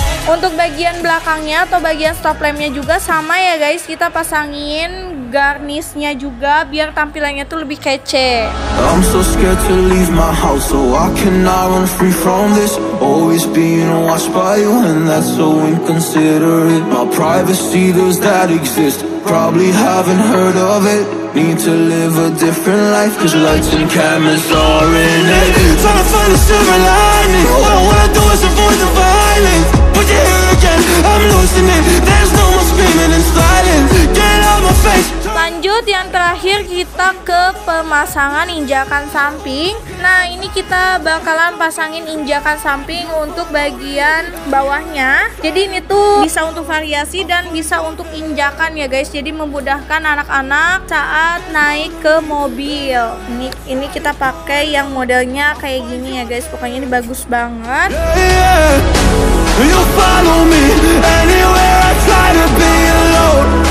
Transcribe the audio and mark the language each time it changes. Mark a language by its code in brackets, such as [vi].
[id] Untuk bagian belakangnya atau bagian stop lampnya juga sama ya guys, kita pasangin garnishnya juga biar tampilannya tuh lebih kece. [en] I'm so scared to leave my house, so I cannot run free from this. Always being watched by you and that's so inconsiderate. My privacy, those that exist, probably haven't heard of it. Need to live a different life, cause lights and cameras are in it. Trying to find a silver lining, all I wanna do is avoid the violence. Put your hair again, I'm losing it. There's no more screaming and silence. Get out my face. [id] Lanjut, yang terakhir kita ke pemasangan injakan samping. Nah, ini kita bakalan pasangin injakan samping untuk bagian bawahnya. Jadi ini tuh bisa untuk variasi dan bisa untuk injakan ya guys, jadi memudahkan anak-anak saat naik ke mobil. Ini kita pakai yang modelnya kayak gini ya guys, pokoknya ini bagus banget. [en] Yeah, yeah. You follow me anywhere I try to be alone.